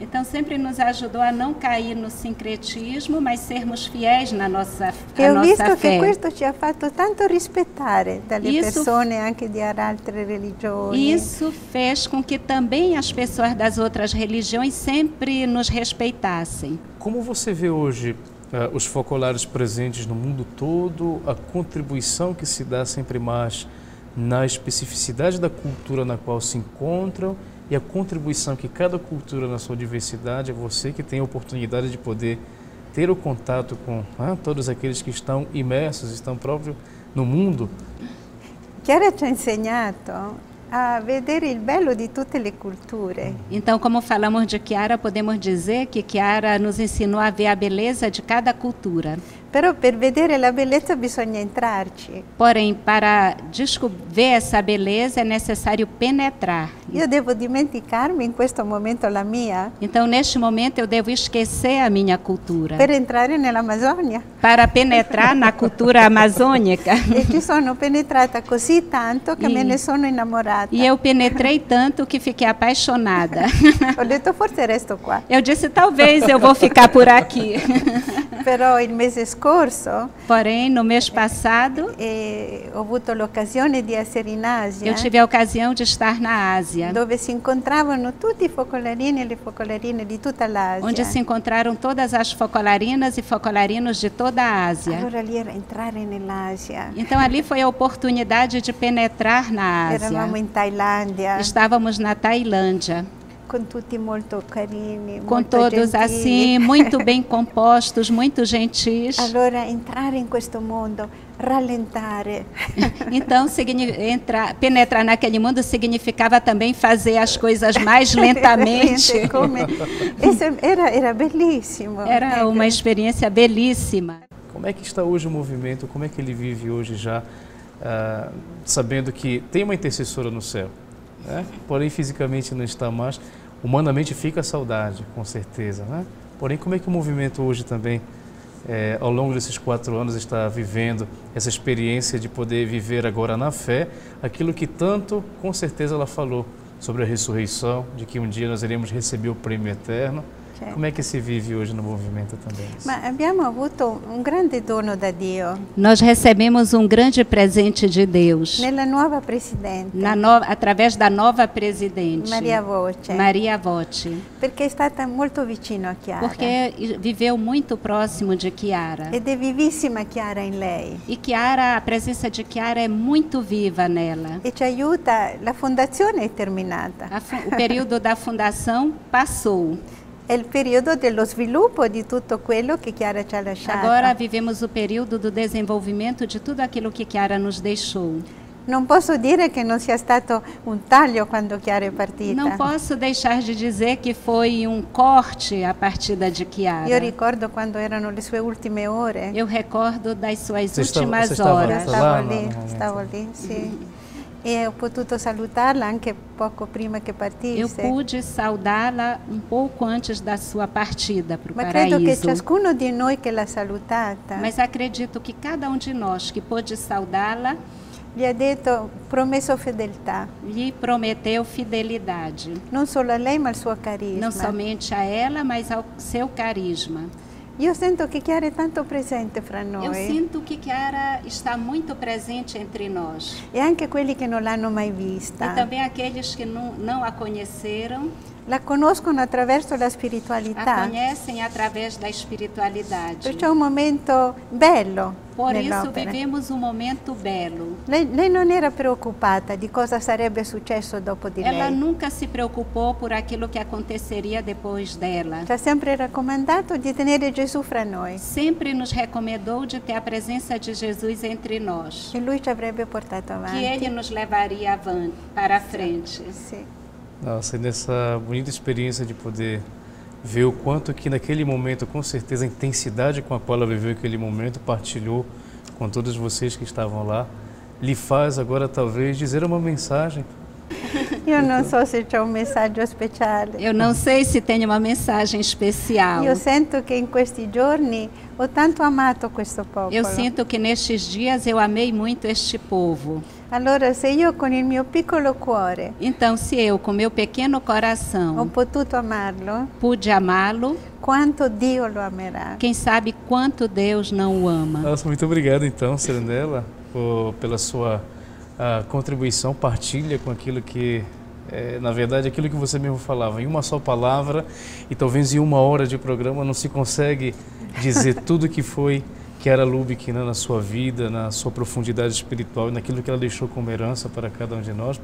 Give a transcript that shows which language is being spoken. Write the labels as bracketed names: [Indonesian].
[Portuguese] Então sempre nos ajudou a não cair no sincretismo, mas sermos fiéis na nossa fé. Eu [Italian] visto que questo ci ha fatto tanto rispettare dalle persone anche di altre religioni. [Portuguese] Isso fez com que também as pessoas das outras religiões sempre nos respeitassem. Como você vê hoje os focolares presentes no mundo todo, a contribuição que se dá sempre mais na especificidade da cultura na qual se encontram e a contribuição que cada cultura na sua diversidade, é você que tem a oportunidade de poder ter o contato com todos aqueles que estão imersos, estão próprio no mundo? [Italian] Chiara te ha insegnato a vedere il bello di tutte le culture. [Portuguese] Então, como falamos de Chiara, podemos dizer que Chiara nos ensinou a ver a beleza de cada cultura. [Italian] Però per vedere la bellezza bisogna entrarci. [Portuguese] Porém, para descobrir essa beleza é necessário penetrar. [Italian] Io devo dimenticarmi in questo momento la mia. [Portuguese] Então, neste momento eu devo esquecer a minha cultura. [Italian] Per entrare nell'Amazonia. [Portuguese] Para penetrar na cultura amazônica. [Italian] E ci sono penetrata così tanto che me ne sono innamorata. [Portuguese] E eu penetrei tanto que fiquei apaixonada. [Italian] Ho detto forse resto qua. [Portuguese] Eu disse talvez eu vou ficar por aqui. [Italian] Però il mese scorso, [Portuguese] porém no mês passado, [Italian] ho avuto l'occasione di essere in Asia. [Portuguese] Eu tive a ocasião de estar na Ásia. [Italian] Dove si incontravano tutti i focolarini e le focolarine di tutta l'Asia. [Portuguese] Onde se encontraram todas as focolarinas e focolarinos de toda a Ásia. [Italian] Allora lì era entrare nell'Asia. [Portuguese] Então ali foi a oportunidade de penetrar na Ásia. [Italian] Eravamo in Thailandia. [Portuguese] Estávamos na Tailândia. Com [Italian] tutti molto carini, [Portuguese] com [Italian] molto [Portuguese] todos [Italian] gentili. [Portuguese] Assim, muito bem compostos, muito gentis. [Italian] Allora, entrare in questo mondo, rallentare. [Portuguese] Então, penetrar naquele mundo significava também fazer as coisas mais lentamente. [Italian] era bellissimo. [Portuguese] Era uma experiência belíssima. Como é que está hoje o movimento? Como é que ele vive hoje já, sabendo que tem uma intercessora no céu? Porém, fisicamente não está mais. Humanamente fica a saudade, com certeza, né? Porém, como é que o movimento hoje também, ao longo desses 4 anos, está vivendo essa experiência de poder viver agora na fé, aquilo que tanto, com certeza, ela falou sobre a ressurreição, de que um dia nós iremos receber o prêmio eterno. Certo. Como é que se vive hoje no movimento também? Mas [Italian] abbiamo avuto [Portuguese] um [Italian] grande dono da Dio. [Portuguese] Nós recebemos um grande presente de Deus. [Italian] Nella nuova presidente. [Portuguese] Na nova, através da nova presidente. [Italian] Maria Voce. [Portuguese] Maria Voce. [Italian] Perché è stata molto vicino a Chiara. [Portuguese] Porque viveu muito próximo de Chiara. [Italian] Ed è vivissima Chiara in lei. [Portuguese] E Chiara, a presença de Chiara é muito viva nela. [Italian] E ci aiuta, la fondazione è terminata. [Portuguese] O período da fundação passou. É o período [Italian] dello sviluppo di tutto quello che Chiara ci ha lasciato. [Portuguese] Agora vivemos o período do desenvolvimento de tudo aquilo que Chiara nos deixou. [Italian] Non posso dire che non sia stato un taglio quando Chiara è partita. [Portuguese] Não posso deixar de dizer que foi um corte a partida de Chiara. [Italian] Io ricordo quando erano le sue ultime ore. [Portuguese] Eu recordo das suas últimas horas. [Italian] Stavo lì, sì. E ho potuto salutarla anche poco prima che partisse. [Portuguese] Eu pude saudá-la um pouco antes da sua partida para o paraíso. [Italian] Ma credo che ciascuno di noi che l'ha salutata. [Portuguese] Mas acredito que cada um de nós que pôde saudá-la, [Italian] gli ha detto promesso fedeltà. Gli [Portuguese] prometeu fidelidade. [Italian] Non solo a lei, ma al suo carisma. [Portuguese] Não somente a ela, mas ao seu carisma. [Italian] Io sento che Chiara è tanto presente fra noi. [Portuguese] Eu sinto que Chiara está muito presente entre nós. [Italian] E anche quelli che non l'hanno mai vista. [Portuguese] E também aqueles que não a conheceram. [Italian] La conoscono attraverso la spiritualità. [Portuguese] A conhecem através da espiritualidade. [Italian] Perciò è un momento bello. [Portuguese] Por isso vivemos um momento belo. [Italian] Lei non era preoccupata di cosa sarebbe successo dopo di lei. [Portuguese] Ela nunca se preocupou por aquilo que aconteceria depois dela. [Italian] Ci ha sempre raccomandato di tenere Gesù fra noi. [Portuguese] Sempre nos recomendou de ter a presença de Jesus entre nós. Que [Italian] lui ci avrebbe portato avanti. [Portuguese] Que ele nos levaria [Italian] avanti, [Portuguese] para frente. Sim. Sim. Nossa, e nessa bonita experiência de poder ver o quanto que naquele momento, com certeza, a intensidade com a qual ela viveu aquele momento, partilhou com todos vocês que estavam lá, lhe faz agora, talvez, dizer uma mensagem. Eu não sei se tem uma mensagem especial. Eu não sei se tem uma mensagem especial. Eu sinto que em [Italian] questi giorni ho tanto amato questo popolo. [Portuguese] Eu sinto que nestes dias eu amei muito este povo. [Italian] Allora, se io con il mio piccolo cuore. [Portuguese] Então, se eu com meu pequeno coração. [Italian] Ho potuto amarlo. [Portuguese] Pude amá-lo. [Italian] Quanto Dio lo amerà. [Portuguese] Quem sabe quanto Deus não o ama. Nossa, muito obrigado então, Serenella, pela sua contribuição, partilha com aquilo que na verdade, aquilo que você mesmo falava, em uma só palavra e talvez em uma hora de programa não se consegue dizer tudo que foi Chiara Lubich, né, na sua vida, na sua profundidade espiritual e naquilo que ela deixou como herança para cada um de nós.